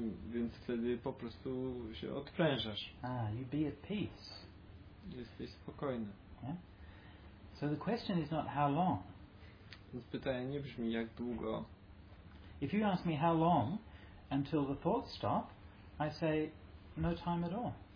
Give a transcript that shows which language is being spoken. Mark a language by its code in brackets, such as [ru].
[pl] Więc wtedy po prostu się odprężasz. [en] You be at peace. [pl] Jesteś spokojny. [en] Yeah? So the question is not how long. [pl] Więc pytanie nie brzmi jak długo. [en] If you ask me how long until the thoughts stop, I say no time at all.